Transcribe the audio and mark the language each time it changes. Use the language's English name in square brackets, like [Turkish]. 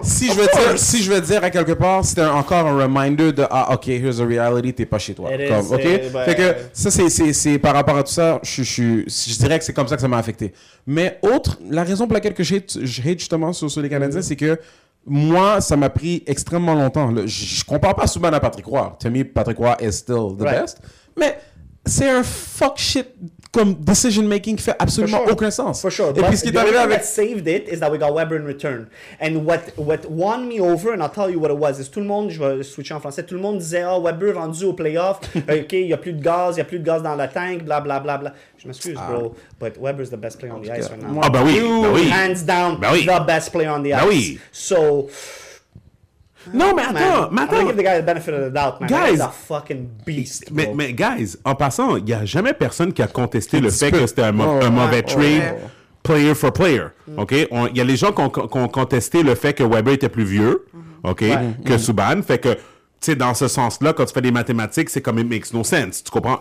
[French] Si je veux dire à quelque part, c'était encore un reminder de, ah, OK, [English] here's a reality, [French] t'es pas chez toi. Comme, OK? Fait que, ça, c'est par rapport à tout ça, je dirais que c'est comme ça que ça m'a affecté. Mais autre, la raison pour laquelle je hate justement sur les Canadiens, c'est que moi, ça m'a pris extrêmement longtemps. Je compare pas souvent à Patrick Roy. [English] To me, Patrick Roy is still the best. [French] Mais c'est un fuck shit comme decision making qui fait absolument aucun sens. [English] For sure. [French] Et [English] but [French] puis ce qui est arrivé avec... [English] What saved it is that we got Weber in return. And what won me over, and I'll tell you what it was, is [French] tout le monde, je vais switcher en français, tout le monde disait, oh, Weber rendu au playoff, OK, il n'y a plus de gaz dans la tank, bla bla bla bla. Je m'excuse, [English] bro, but Weber is the best player on the ice right now. [French] Ah, ben oui, [English] hands down, the best player on the ice. [French] Oui. [English] So... [French] Non, mais attends, [English] I'm gonna give the guy the benefit of the doubt, man. Guys, he's a fucking beast, bro. [French] Mais guys, en passant, il n'y a jamais personne qui a contesté le fait que c'était un mauvais trade [English] player for player, [French] OK? Il y a les gens qui ont contesté le fait que Weber était plus vieux, OK, que Subban. Fait que, tu sais, dans ce sens-là, quand tu fais des mathématiques, c'est comme [English] it makes no sense, [French] tu comprends?